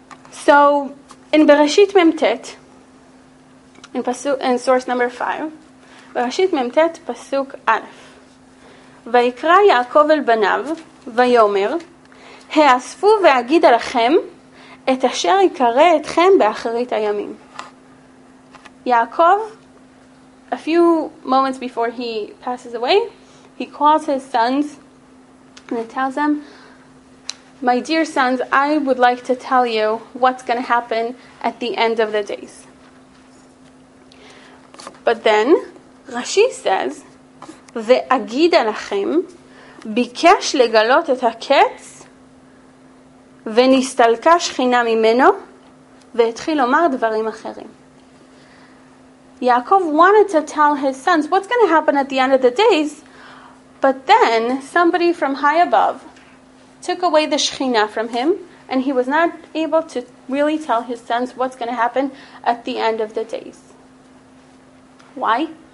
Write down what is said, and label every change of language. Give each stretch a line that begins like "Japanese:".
English: So, in Bereshit Mem Tet, in source number 5, Bereshit Mem Tet, Pasuk Aleph.
Hebrew: ויקרא יעקב אל בניו ויומר האספו ואגיד עליכם את אשר יקרא אתכם באחרית הימים.
English: יעקב, a few moments before he passes away, he calls his sons and he tells them, my dear sons, I would like to tell you what's going to happen at the end of the days. But then Rashi says,
Hebrew: ואגיד עליכם, ביקש לגלות את הקץ, ונסתלקה שכינה ממנו, והתחיל לומר דברים אחרים.
English: Yaakov wanted to tell his sons, what's going to happen at the end of the days? But then, somebody from high above took away the Shekhinah from him, and he was not able to really tell his sons what's going to happen at the end of the days. Why?